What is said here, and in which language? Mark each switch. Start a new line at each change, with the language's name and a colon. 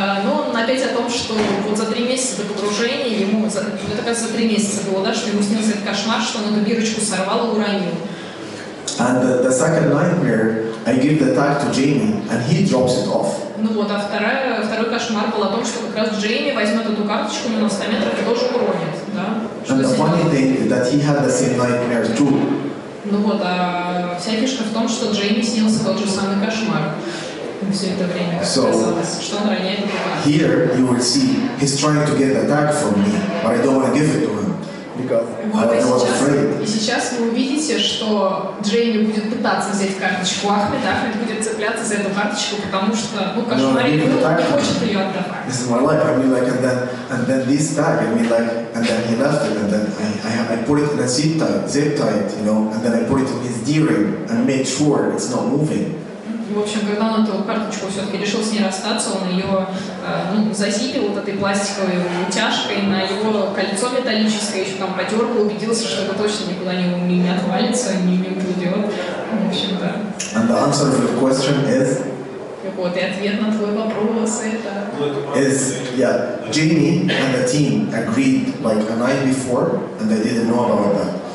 Russian: Но он опять о том, что вот за 3 месяца до погружения ему, это как за 3 месяца было, да, что ему снился этот кошмар, что он эту бирочку сорвал и уронил.
English: And the second nightmare, I give the tag to Jamie, and he drops it off.
Russian: Ну вот, а второй кошмар был о том, что как раз Джейми возьмет эту карточку на 100 метров и тоже уронит, да?
English: And the funny thing is that he had the same nightmare too.
Russian: Ну вот, а вся фишка в том, что Джейми снился тот же самый кошмар все это время, как казалось, что он роняет его.
English: Here you will see, he's trying to get the attack from me, but I don't want to give it to him.
Russian: И сейчас вы увидите, что Джейми будет пытаться взять карточку Ахмед, Ахмед будет цепляться за эту карточку, потому что, ну, кошмар, не хочет ее отдавать.
English: This is my life, I mean, like, and then this tag, I mean, like, and then he left it, and then I put it in a zip tight, you know, and then I put it in his D-ring and made sure it's not moving.
Russian: И, в общем, когда он эту карточку все-таки решил с ней расстаться, он ее зазипил вот этой пластиковой утяжкой на его кольцо металлическое, еще там подергал, убедился, что это точно никуда не отвалится, не уйдет. В общем-то.
English: And the answer to the question is...
Russian: Вот, и ответ на твой вопрос это...
English: Is, yeah, Jamie and the team agreed like a night before, and they didn't know about that.